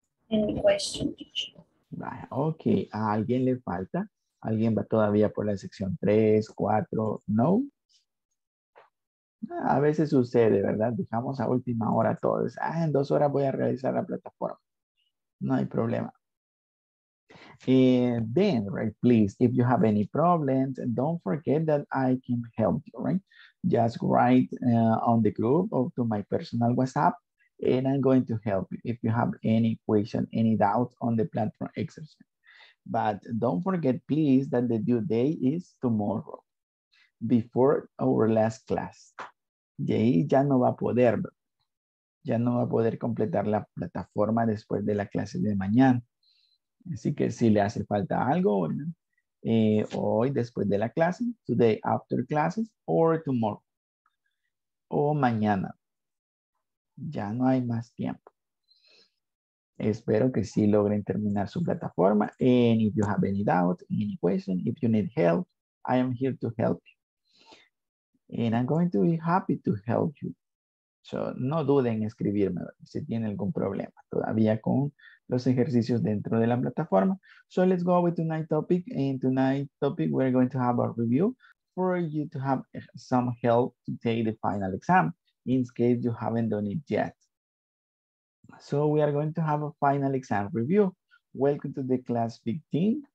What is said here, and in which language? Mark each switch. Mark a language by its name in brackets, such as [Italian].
[English] Any question, teacher? [Spanish] Okay, ¿a alguien le falta? ¿Alguien va todavía por la sección 3, 4? No. A veces sucede, ¿verdad? Dejamos a última hora todos. Ah, en 2 horas voy a realizar la plataforma. No hay problema. [English] And then, right, please, if you have any problems, don't forget that I can help you, right? Just write on the group or to my personal WhatsApp, and I'm going to help you if you have any question, any doubts on the platform exercise. But don't forget, please, that the due date is tomorrow, before our last class. [Spanish] Y ahí ya no va a poder, ya no va a poder completar la plataforma después de la clase de mañana. Así que si le hace falta algo, ¿no? Hoy después de la clase, [English] today after classes, or tomorrow, [Spanish] o mañana. Ya no hay más tiempo. Espero que sí logren terminar su plataforma. [English] And if you have any doubt, any question, if you need help, I am here to help you. And I'm going to be happy to help you. [Spanish] So no duden en escribirme si tienen algún problema todavía con los ejercicios dentro de la plataforma. [English] So let's go with tonight's topic. And tonight's topic, we're going to have a review for you to have some help to take the final exam in case you haven't done it yet. So we are going to have a final exam review. Welcome to the class 15.